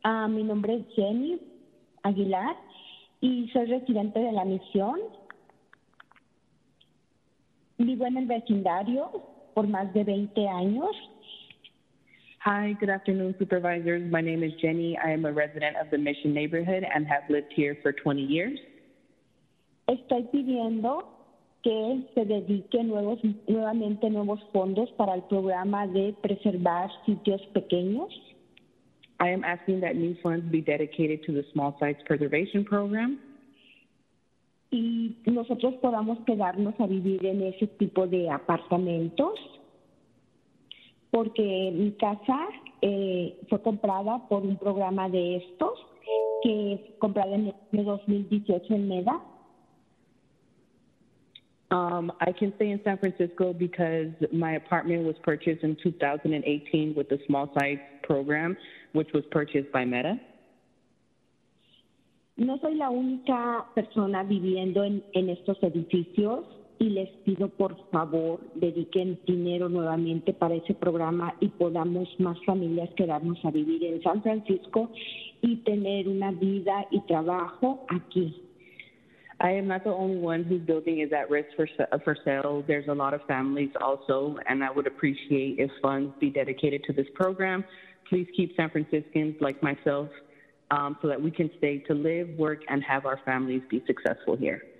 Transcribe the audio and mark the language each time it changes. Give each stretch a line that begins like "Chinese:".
Spanish: Mi nombre es Jenny Aguilar y soy residente de la Misión. Vivo en el vecindario por más de 20 años.
English: Hi, good afternoon, Supervisors. My name is Jenny. I am a resident of the Mission neighborhood and have lived here for 20 years.
Spanish: Estoy pidiendo que se dedique nuevamente nuevos fondos para el programa de preservar sitios pequeños.
English: I am asking that new funds be dedicated to the Small Sites Preservation Program.
Spanish: Y nosotros podamos quedarnos a vivir en ese tipo de apartamentos. Porque mi casa fue comprada por un programa de estos que comprada en el 2018 en MEDA.
English: I can stay in San Francisco because my apartment was purchased in 2018 with the Small Size Program, which was purchased by MEDA.
Spanish: No soy la única persona viviendo en estos edificios. Y les pido, por favor, dediquen dinero nuevamente para ese programa y podamos más familias quedarnos a vivir en San Francisco y tener una vida y trabajo aquí.
English: I am not the only one whose building is at risk for sale. There's a lot of families also, and I would appreciate if funds be dedicated to this program. Please keep San Franciscans like myself so that we can stay to live, work, and have our families be successful here.